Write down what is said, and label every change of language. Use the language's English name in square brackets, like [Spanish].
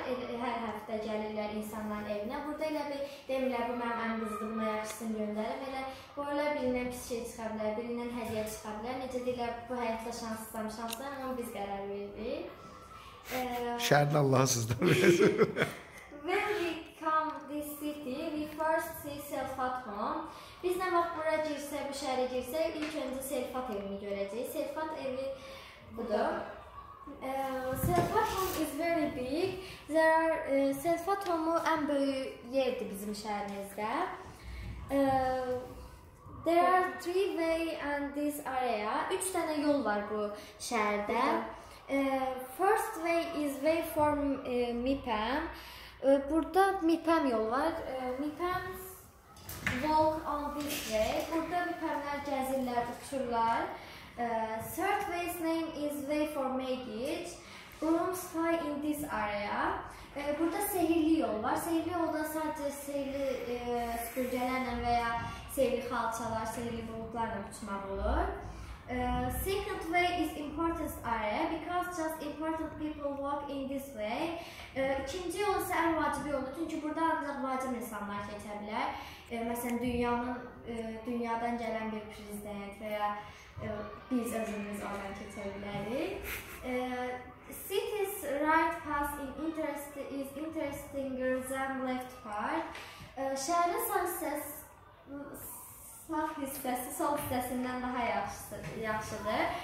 [Azerbaijani] Hər həftə gəlirlər insanların evinə. Burada elə bir demirlər, bu mənim ən qızdım, buna yaxşısını göndərim. Elə qoyurlar birindən pis şey çıxa bilər, birindən hədiyə çıxa bilər. Necə deyirlər, bu həyatda şanslısam, şanslısam, onu biz qərar verdik. Şəhərdə Allah sizdən [English] When we come to this city, we first see Selfat home. [Azerbaijani] Biz nə vaxt bura girsək, bu şəhərə girsək, ilk öncə Selfat evini görəcəyik. Selfat evi budur. [English] Selfat home is very big. [Azerbaijani] Selfat home ən böyük yerdir bizim şəhərimizdə. [English] There are three way in this area. [Azerbaijani] Üç dənə yol var bu şəhərdə. [English] First way is way from MİPEM. [Azerbaijani] Burada MİPEM yolu var. [English] MİPEM walk on this way. [Azerbaijani] Burada MİPEMlər gəzirlər, uçurlar. [English] Third way's name is way for magic. Brooms fly in this area. [Azerbaijani] Burada sehirli yol var. Sehirli yoldan sadece sehirli süpürgələrlə veya sehirli xalçalar, sehirli buludlarla uçmaq olur. [English] Second way is important area because just important people walk in this way. [Azerbaijani] İkinci yol ise ən vacib yoldur. Çünki burada ancaq vacib insanlar keçə bilər. Məsələn, dünyadan gələn bir prezident və ya biz özümüz oradan keçə bilərik. [English] City's right path is interesting than left path. [Azerbaijani] Şəhərin sol hissəsindən daha yaxşıdır.